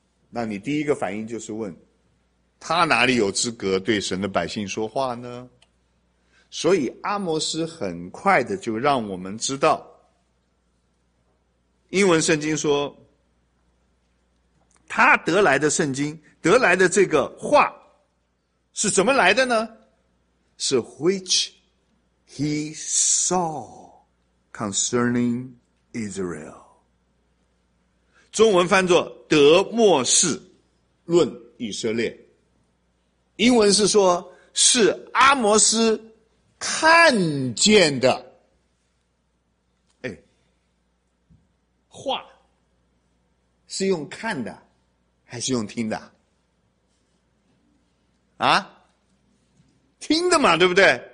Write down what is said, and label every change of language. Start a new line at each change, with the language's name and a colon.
Chinese: 那你第一个反应就是问，他哪里有资格对神的百姓说话呢？所以阿摩斯很快的就让我们知道，英文圣经说，他得来的圣经，得来的这个话，是怎么来的呢？是
English: which he saw concerning Israel。
Chinese: 中文翻作德末世论以色列，英文是说是阿摩斯看见的。哎，话是用看的还是用听的啊？听的嘛，对不对？